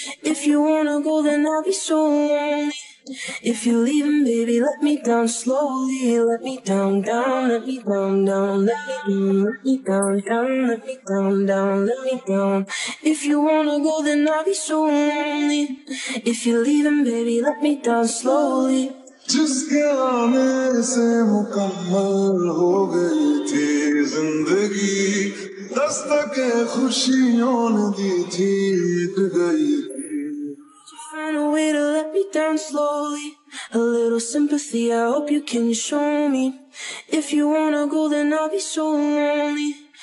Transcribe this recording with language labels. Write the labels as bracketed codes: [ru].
[en] If you wanna go, then I'll be so lonely. If you're leaving, baby, let me down slowly. Let me down, down, let me down, down. Let me down, let me down, down. Let me down, down, let me down. If you wanna go, then I'll be so lonely. If you're leaving, baby, let me down slowly. [hi] जिस आने से मुकम्मल हो गई थी जिंदगी दस्तक खुशियों ने दी थी मिट गई [en] Find a way to let me down slowly. A little sympathy, I hope you can show me. If you wanna go, then I'll be so lonely.